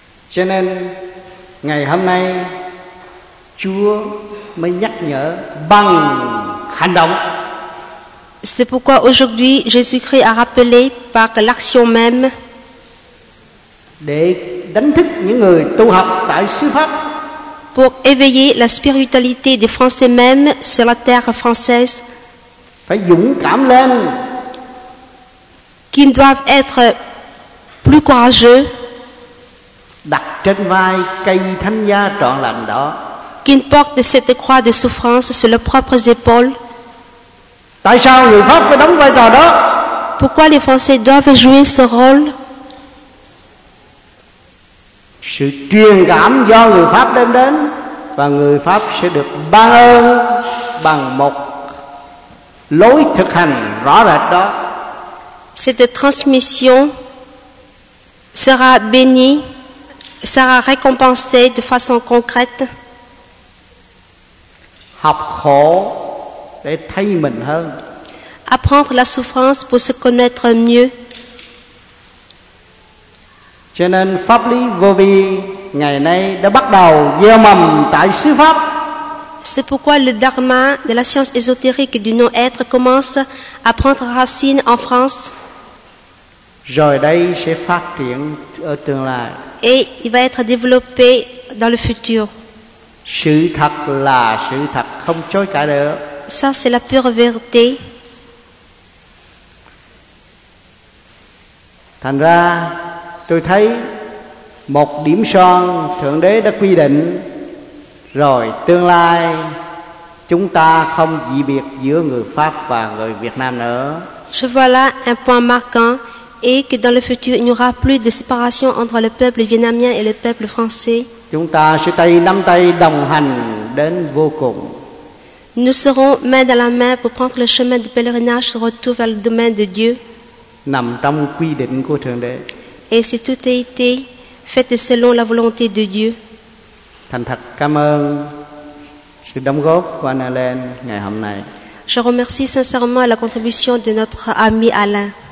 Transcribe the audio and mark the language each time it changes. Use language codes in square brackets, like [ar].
[vi] Cho nên ngày hôm nay Chúa mới nhắc nhở bằng hành động. [fr] C'est pourquoi aujourd'hui Jésus-Christ a rappelé par l'action même. [vi] Để đánh thức những người tu học tại xứ Pháp. [fr] Pour éveiller la spiritualité des Français même sur la terre française. [vi] Phải dũng cảm lên. [fr] Qu'ils doivent être plus courageux. [vi] Đặt trên vai cây thánh giá trọn lành đó. [fr] Qu'ils portent cette croix de souffrance sur leurs propres épaules. [vi] Tại sao người Pháp phải đóng vai trò đó? [fr] Pourquoi les Français doivent jouer ce rôle? [vi] Sự truyền cảm do người Pháp đem đến, và người Pháp sẽ được ban ơn bằng một lối thực hành rõ rệt đó. [fr] Cette transmission sera bénie, sera récompensé de façon concrète. [vi] Học khổ để thấy mình hơn. [fr] Apprendre la souffrance pour se connaître mieux. [vi] Cho nên Pháp Lý Vô Vi ngày nay đã bắt đầu gieo mầm tại xứ Pháp. [fr] C'est pourquoi le dharma de la science ésotérique du non-être commence à prendre racine en France. [vi] Rồi đây sẽ phát triển ở tương lai. [fr] Et il va être développé dans le futur. [vi] Sự thật là sự thật, không chối cãi được. [fr] Ça c'est la pure vérité. [vi] Thành ra tôi thấy một điểm son Thượng Đế đã quy định rồi, tương lai chúng ta không dị biệt giữa người Pháp và người Việt Nam nữa. [fr] Je vois là un point marquant. Et que dans le futur, il n'y aura plus de séparation entre le peuple vietnamien et le peuple français. [vi] Chúng ta sẽ tay nắm tay đồng hành đến vô cùng. [fr] Nous serons main dans la main pour prendre le chemin du pèlerinage de retour vers le domaine de Dieu. [vi] Nằm trong quy định của Thượng Đế. [fr] Et si tout a été fait selon la volonté de Dieu. [vi] Thành thật cảm ơn sự đóng góp của anh Alain ngày hôm nay. [fr] Je remercie sincèrement la contribution de notre ami Alain.